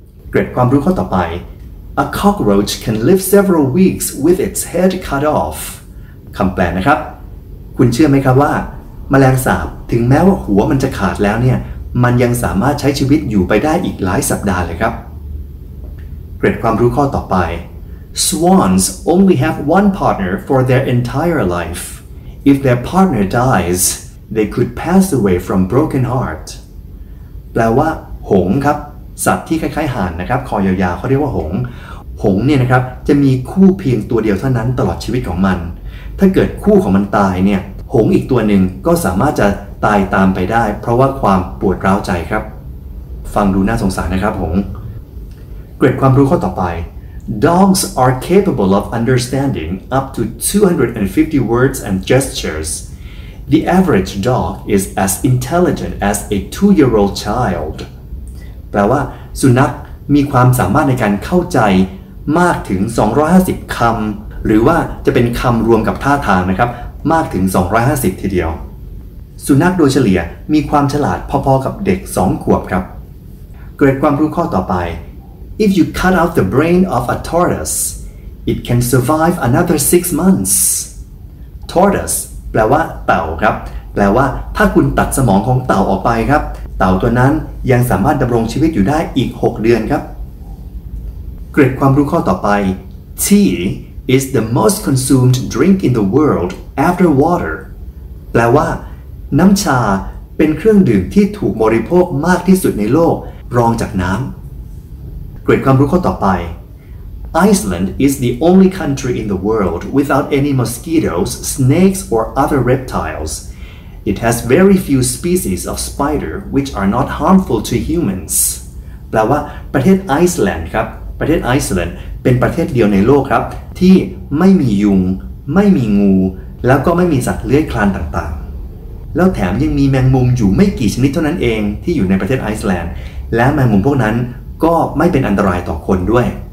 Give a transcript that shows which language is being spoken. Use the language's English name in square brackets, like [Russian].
[Thai] เกร็ดความรู้ข้อต่อไป [English] A cockroach can live several weeks with its head cut off [Thai] คำแปลนะครับคุณเชื่อไหมครับว่าแมลงสาบถึงแม้ว่าหัวมันจะขาดแล้วเนี่ยมันยังสามารถใช้ชีวิตอยู่ไปได้อีกหลายสัปดาห์เลยครับเกร็ดความรู้ข้อต่อไป [English] Swans only have one partner for their entire life. If their partner dies, they could pass away from broken heart. [Thai] แปลว่าหงครับสัตว์ที่คล้ายๆห่านนะครับคอยาวๆเขาเรียกว่าหงหงเนี่ยนะครับจะมีคู่เพียงตัวเดียวเท่านั้นตลอดชีวิตของมันถ้าเกิดคู่ของมันตายเนี่ยหงอีกตัวหนึ่งก็สามารถจะตายตามไปได้เพราะว่าความปวดร้าวใจครับฟังดูน่าสงสารนะครับหงเกร็ดความรู้ข้อต่อไป [English] Dogs are capable of understanding up to 250 words and gestures. The average dog is as intelligent as a 2-year-old child. [Thai] แปลว่าสุนัขมีความสามารถในการเข้าใจมากถึง250คำหรือว่าจะเป็นคำรวมกับท่าทางนะครับมากถึง250ทีเดียวสุนัขโดยเฉลี่ยมีความฉลาดพอๆกับเด็ก2ขวบครับเกร็ดความรู้ข้อต่อไป [English] If you cut out the brain of a tortoise, it can survive another 6 months. [Thai] Tortoise แปลว่าเต่าครับแปลว่าถ้าคุณตัดสมองของเต่าออกไปครับเต่าตัวนั้นยังสามารถดำรงชีวิตอยู่ได้อีก6เดือนครับเกร็ดความรู้ข้อต่อไป [English] Tea is the most consumed drink in the world after water. [Thai] แปลว่าน้ำชาเป็นเครื่องดื่มที่ถูกบริโภคมากที่สุดในโลกรองจากน้ำเกร็ดความรู้ข้อต่อไป [English] Iceland is the only country in the world without any mosquitoes, snakes or other reptiles. It has very few species of spider which are not harmful to humans. [Thai] แปลว่าประเทศไอซ์แลนด์ครับประเทศไอซ์แลนด์เป็นประเทศเดียวในโลกครับที่ไม่มียุงไม่มีงูแล้วก็ไม่มีสัตว์เลื้อยคลานต่างๆแล้วแถมยังมีแมงมุมอยู่ไม่กี่ชนิดเท่านั้นเองที่อยู่ในประเทศไอซ์แลนด์และแมงมุมพวกนั้นก็ไม่เป็นอันตรายต่อคนด้วย